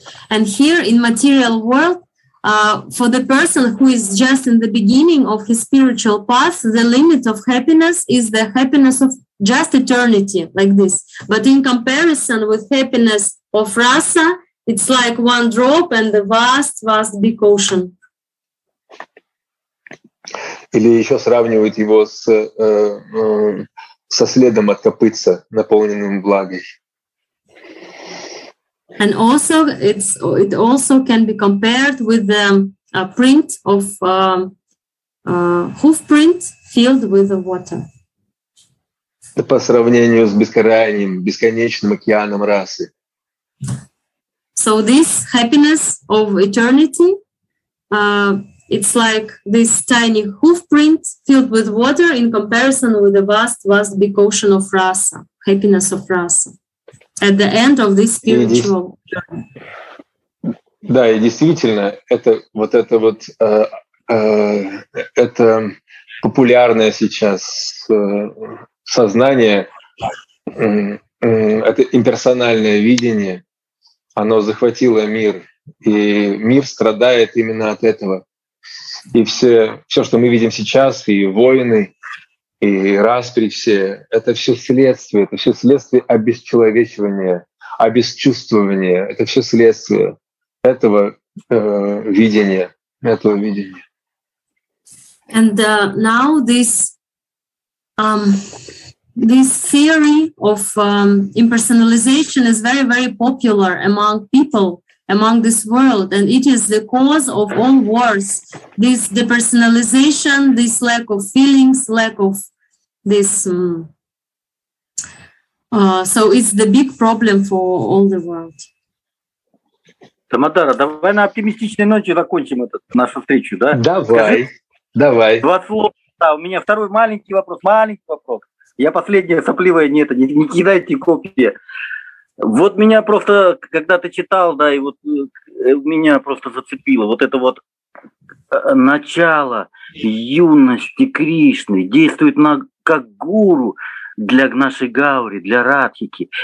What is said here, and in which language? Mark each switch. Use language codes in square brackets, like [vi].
[en] And here in material world, for the person who is just in the beginning of his spiritual path, the limit of happiness is the happiness of just eternity, like this. But in comparison with happiness of rasa, it's like one drop and the vast, vast big ocean. [ru] Или еще сравнивают его со следом от копытца, наполненным влагой. [en] And also, it also can be compared with the print of hoofprint filled with the water. [ru] По сравнению с бескрайним, бесконечным океаном расы. [en] So this happiness of eternity, it's like this tiny hoofprint filled with water in comparison with the vast, vast big ocean of rasa, happiness of rasa. At the end of this spiritual [ru] Да, и действительно, это вот это вот это популярное сейчас сознание, это имперсональное видение, оно захватило мир, и мир страдает именно от этого. И все, что мы видим сейчас, и войны, и распри все, это все следствие обесчеловечивания, обесчувствования, это все следствие этого видения, этого видения. [en] And now this this theory of impersonalization is very, very popular among people, among this world, and it is the cause of all wars. This depersonalization, this lack of feelings, lack of this. So it's the big problem for all the world. [ru] Тамадара, давай на оптимистичной ноте закончим этот нашу встречу, да? Давай. Скажи, давай. Два слова. Да, у меня второй маленький вопрос. Маленький вопрос. Я последняя сопливая, не кидайте копии. Вот меня просто, когда ты читал, да, и вот меня просто зацепило вот это вот начало юности Кришны действует на, как гуру для нашей Гаури, для Радхики.